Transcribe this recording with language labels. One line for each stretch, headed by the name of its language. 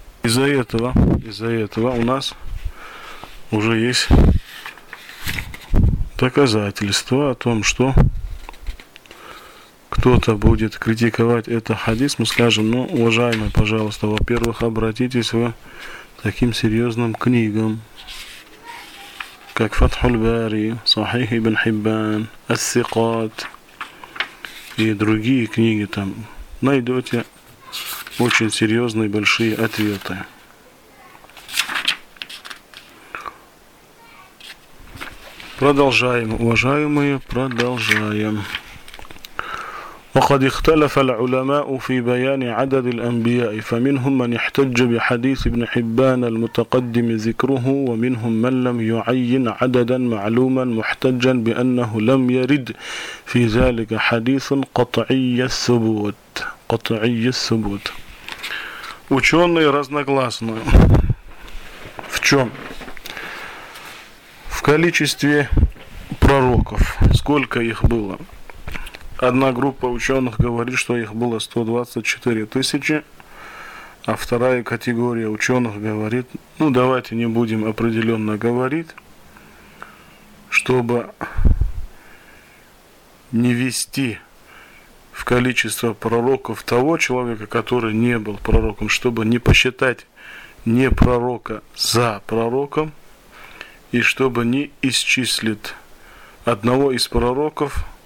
Russian: Из-за этого у нас уже есть доказательства о том, что кто-то будет критиковать этот хадис, мы скажем, ну, уважаемый, пожалуйста, во-первых, обратитесь к таким серьезным книгам, как «Фатхуль Бари», «Сахих ибн Хиббан», «Ас-Сикат» и другие книги там. Найдете очень серьезные большие ответы. Продолжаем, уважаемые, продолжаем.
Arabic: وقد اختلف العلماء في بيان عدد الأنبياء فمنهم من احتج بحديث ابن حبان المتقدم ذكره ومنهم من لم يعين عددا معلوما محتجا بأنه لم يرد في ذلك حديث قطعي الثبوت قطعي الثبوت
Russian: ученые разногласны в чем? В количестве пророков, сколько их было? Одна группа ученых говорит, что их было 124 тысячи, а вторая категория ученых говорит, ну давайте не будем определенно говорить, чтобы не ввести в количество пророков того человека, который не был пророком, чтобы не посчитать не пророка за пророком, и чтобы не исчислить одного из пророков,